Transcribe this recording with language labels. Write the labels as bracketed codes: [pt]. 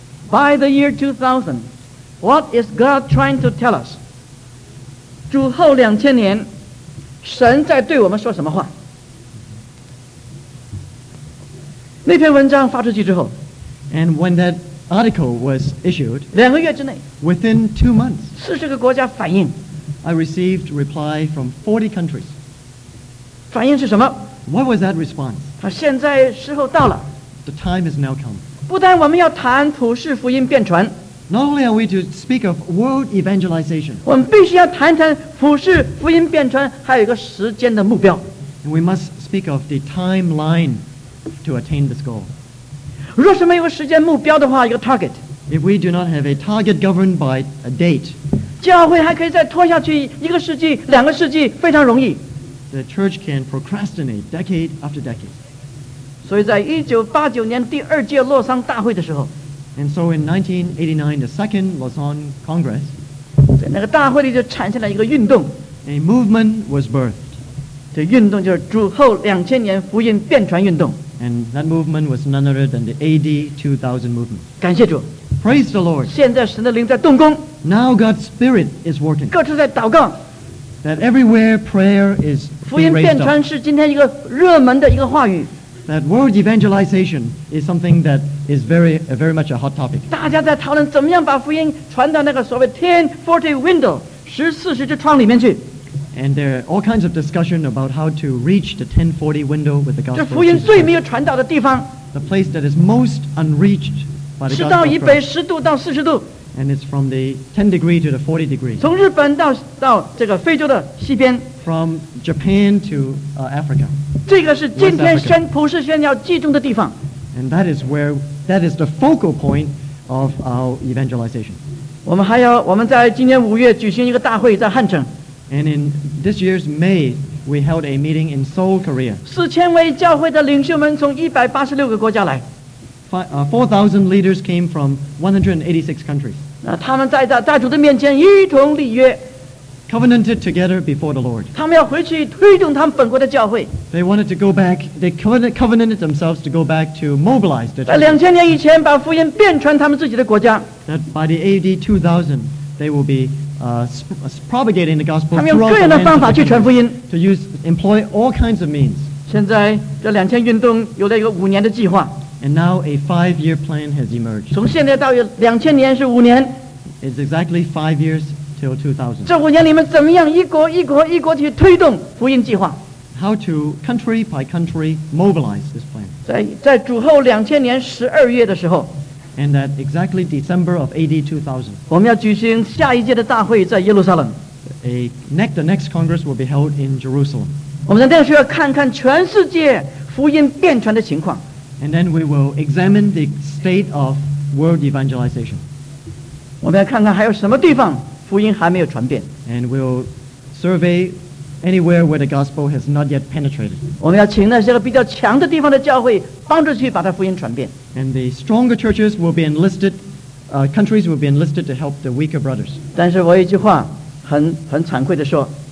[en] By the year 2000, what is God trying to tell us? [zh] 主后两千年，神在对我们说什么话？那篇文章发出去之后 [en] And when that article was issued [zh] 两个月之内 [en] Within 2 months [zh] 四十个国家反应 [en] I received reply from 40 countries [zh] 反应是什么 [en] What was that response? [zh] 啊，现在时候到了 [en] The time has now come [zh] 不但我们要谈普世福音遍传 [en] Not only are we to speak of world evangelization [zh] 我们必须要谈谈普世福音遍传还有一个时间的目标 [en] And we must speak of the timeline To attain this goal. [zh] 若是没有时间目标的话，一个 target. [en] If we do not have a target governed by a date, [zh] 教会还可以再拖下去一个世纪、两个世纪，非常容易。 [en] The church can procrastinate decade after decade. [zh] 所以在1989年第二届洛桑大会的时候 [en] ，And so in 1989, the second Lausanne Congress, [zh] 在那个大会里就产生了一个运动 [en] ，A movement was birthed. [zh] 这运动就是主后两千年福音遍传运动。 [en] And that movement was none other than the AD 2000 movement. [zh] 感谢主。 [en] Praise the Lord. [zh] 现在神的灵在动工。 [en] Now God's Spirit is working. [zh] 各处在祷告。 [en] That everywhere prayer is being raised up. [zh] 福音遍传是今天一个热门的一个话语。 [en] That world evangelization is something that is very much a hot topic. [zh] 大家在讨论怎么样把福音传到那个所谓1040 window, 1040之窗里面去。 [en] And there are all kinds of discussion about how to reach the 1040 window with the gospel. [zh] 这福音最没有传达的地方。 [en] The place that is most unreached by the gospel. [zh] 是到以北十度到四十度。 [en] And it's from the 10 degree to the 40 degree. [zh] 从日本到这个非洲的西边。 [en] From Japan to Africa. [zh] 这个是今天宣普世宣教集中的地方。 [en] And that is the focal point of our evangelization. [zh] 我们在今年五月举行一个大会在汉城。 [en] And in this year's May, we held a meeting in Seoul, Korea. [zh] 4,000 位教会的领袖们从186个国家来。 [en] 4,000 leaders came from 186 countries. [zh] 他们在大主的面前一同立约。 [en] Covenanted together before the Lord. [zh] 他们要回去推动他们本国的教会。 [en] They wanted to go back, they covenanted themselves to go back to mobilize the church. [zh] 在2000年以前把福音遍传他们自己的国家。 [en] That by the AD 2000, they will be propagating the gospel throughout the [zh] land. 他们用各样的方法去传福音。 [en] To employ all kinds of means. [zh] 现在这两千运动有了一个五年的计划。 [en] And now a five-year plan has emerged. [zh] 从现在到两千年是五年。 [en] It's exactly 5 years till 2000. [zh] 这五年里面怎么样一国一国一国去推动福音计划？ [en] How to country by country mobilize this plan? [zh] 在主后两千年十二月的时候。 [en] And that exactly December of AD 2000. [zh] 我们要举行下一届的大会在耶路撒冷。 [en] The next Congress will be held in Jerusalem. [zh] 我们在那时候看看全世界福音遍传的情况。 [en] And then we will examine the state of world evangelization. [zh] 我们要看看还有什么地方福音还没有传遍。 [en] And we'll survey anywhere where the gospel has not yet penetrated. [zh] 我们要请那些比较强的地方的教会帮助去把它福音传遍。 [en] And the stronger churches will be enlisted, countries will be enlisted to help the weaker brothers. [zh] 但是我一句话很惭愧地说。